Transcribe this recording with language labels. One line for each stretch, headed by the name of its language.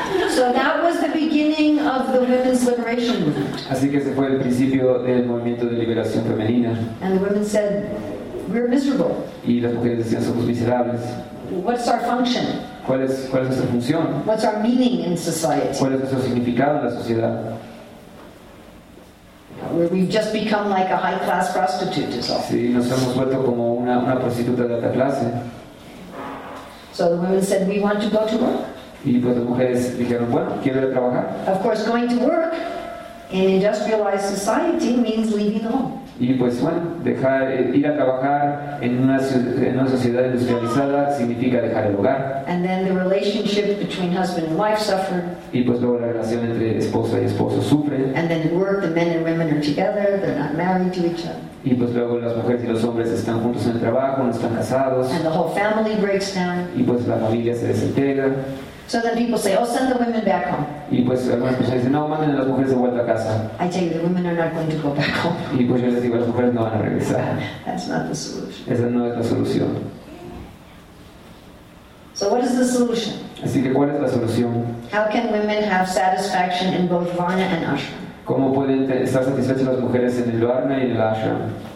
English: So that was the beginning of the women's liberation movement.
Spanish: Así que ese fue el principio del movimiento de liberación femenina.
English: And the women said, "We're miserable."
Spanish: Y las mujeres decían, "Somos miserables."
English: What's our function?
Spanish: ¿Cuál es nuestra función?
English: What's our meaning in society?
Spanish: ¿Cuál es nuestro significado en la sociedad?
English: Where we've just become like a high-class prostitute, is all.
Spanish: Sí, nos hemos vuelto como una prostituta de alta clase.
English: So the women said, "We want to go to work."
Spanish: Y pues las mujeres dijeron, bueno, quiero ir a trabajar.
English: Of course, going to work in industrialized society means leaving home.
Spanish: Y pues bueno, dejar ir a trabajar en una sociedad industrializada significa dejar el hogar.
English: And then the relationship between husband and wife suffer.
Spanish: Y pues luego la relación entre esposa y esposo sufre.
English: And then at work, the men and women are together; they're not married to each other.
Spanish: Y pues luego las mujeres y los hombres están juntos en el trabajo, no están casados.
English: And the whole family breaks down.
Spanish: Y pues la familia se desintegra.
English: So then people say, oh, send the women back home.
Spanish: Y pues algunas personas dicen, no, manden a las mujeres de vuelta a casa.
English: I tell you, the women are not going to go back home.
Spanish: Y pues yo les digo, las mujeres no van a regresar.
English: That's not the solution.
Spanish: Esa no es la solución.
English: So what is the solution?
Spanish: Así que, ¿cuál es la solución?
English: How can women have satisfaction in both Varna and Ashram?
Spanish: ¿Cómo pueden estar satisfechas las mujeres en el Varna y en el Ashram?